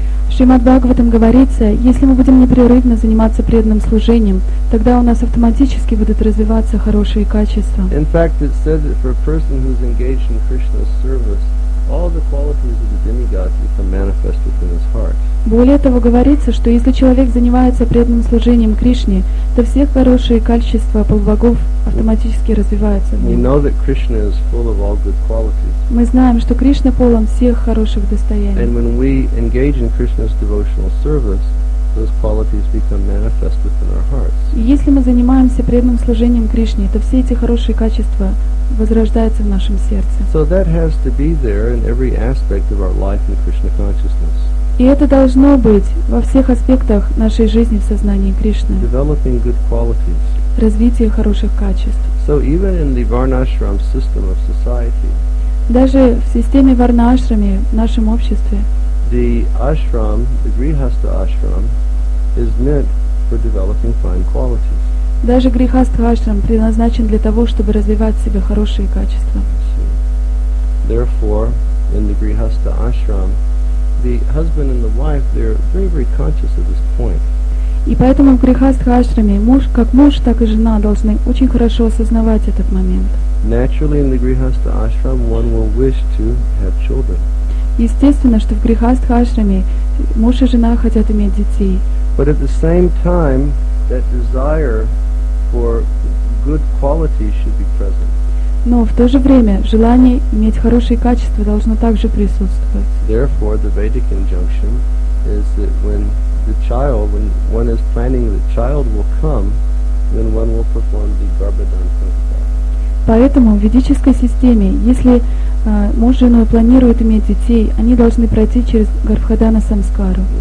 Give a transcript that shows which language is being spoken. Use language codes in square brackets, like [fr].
[ru] Шримад Бхагаватам говорится, если мы будем непрерывно заниматься преданным служением, тогда у нас автоматически будут развиваться хорошие качества. [en] In fact, it says that for a person who is engaged in Krishna's service, all the qualities of the demigods become manifest within his heart. [ru] Более того, говорится, что если человек занимается преданным служением Кришне, то все хорошие качества полубогов автоматически развиваются в нем. [en] We know that Krishna is full of all good qualities. [ru] Мы знаем, что Кришна полон всех хороших достоинств. [en] And when we engage in Krishna's devotional service, those qualities become manifest within our hearts. [ru] И если мы занимаемся преданным служением Кришне, то все эти хорошие качества возрождаются в нашем сердце. [en] So that has to be there in every aspect of our life in Krishna consciousness. [ru] И это должно быть во всех аспектах нашей жизни в сознании Кришны. [en] Developing good qualities. [ru] Развитие хороших качеств. [en] So even in the Varnashram system of society. [ru] Даже в системе Варнашрами в нашем обществе. [en] The ashram, the grihastha ashram, is meant for developing fine qualities. [ru] Даже грихастха ашрам предназначен для того, чтобы развивать в себе хорошие качества. [en] Therefore, in the grihastha ashram, the husband and the wife, they're very, very conscious of this point. [ru] И поэтому в грихастха ашраме муж, как муж, так и жена должны очень хорошо осознавать этот момент. [en] Naturally, in the grihastha ashram, one will wish to have children. [ru] Естественно, что в грихастха ашраме муж и жена хотят иметь детей. [en] But at the same time, that desire for good qualities should be present. [ru] Но в то же время желание иметь хорошие качества должно также присутствовать. [en] Therefore, the Vedic injunction is that when one is planning that child will come, then one will perform the Garbhadan Sanskar. [ru] Поэтому в ведической системе, если муж с женой планируют иметь детей, они должны пройти через Гарбхадана Самскару.